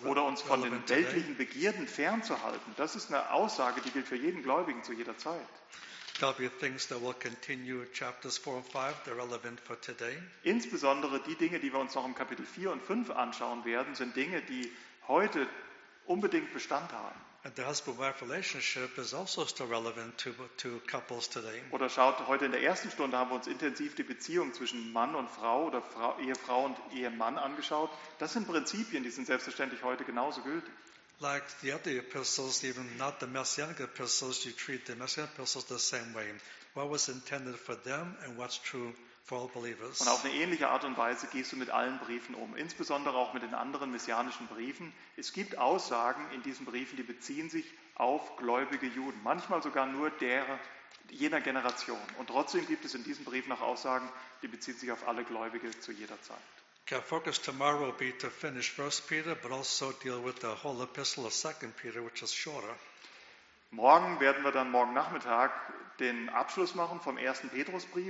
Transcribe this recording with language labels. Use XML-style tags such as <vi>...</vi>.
<de>oder uns von den weltlichen Begierden fernzuhalten. Das ist eine Aussage, die gilt für jeden Gläubigen zu jeder Zeit. Insbesondere die Dinge, die wir uns noch im Kapitel 4 und 5 anschauen werden, sind Dinge, die heute unbedingt Bestand haben.</de> <en>And the husband-wife relationship is also still relevant to couples today.</en> <de>Oder schaut, heute in der ersten Stunde haben wir uns intensiv die Beziehung zwischen Mann und Frau oder Ehefrau und Ehemann angeschaut. Das sind Prinzipien, die sind selbstverständlich heute genauso gültig.</de> <en>Like the other epistles, even not the Messianic epistles, you treat the Messianic epistles the same way. What was intended for them and what's true for all believers.</en> <de>Und auf eine ähnliche Art und Weise gehst du mit allen Briefen um, insbesondere auch mit den anderen messianischen Briefen. Es gibt Aussagen in diesen Briefen, die beziehen sich auf gläubige Juden, manchmal sogar nur jener Generation. Und trotzdem gibt es in diesem Brief noch Aussagen, die beziehen sich auf alle Gläubige zu jeder Zeit.</de> <en>Our focus tomorrow will be to finish 1 Peter, but also deal with the whole epistle of 2 Peter, which is shorter.</en> <de>Morgen werden wir dann morgen Nachmittag den Abschluss machen vom 1. Petrusbrief.</de>